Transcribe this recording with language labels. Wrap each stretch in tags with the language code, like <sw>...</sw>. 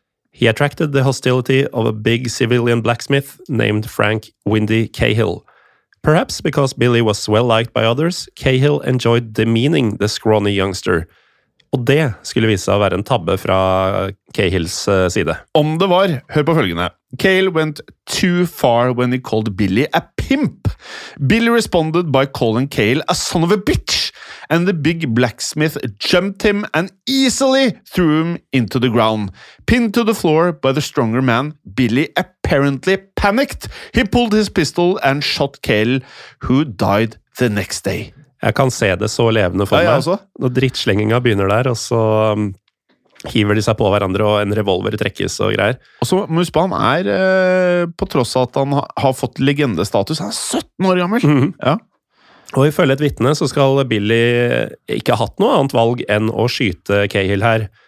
<en>He attracted the hostility of a big civilian blacksmith named Frank Windy Cahill. Perhaps because Billy was well liked by others, Cahill enjoyed demeaning the scrawny youngster.</en> <no>Og det skulle vise seg å være en tabbe fra Cahills side. Om det var, hør på følgende.</no> <en>Cahill went too far when he called Billy a pimp. Billy responded by calling Cahill a son of a bitch. And the big blacksmith jumped him and easily threw him into the ground. Pinned to the floor by the stronger man, Billy apparently panicked. He pulled his pistol and shot Cahill, who died the next day.</en> <no>Jeg kan se det så levende for meg. Når drittslengingen begynner der, og så hiver de seg på hverandre, og en revolver trekkes og greier. Og så Muspa, han er, på tross av at han har fått legendestatus, han 17 år gammel. Mm-hmm. Ja. Og ifølge et vittne så skal Billy ikke ha hatt noe annet valg enn å skyte Cahill her.</no>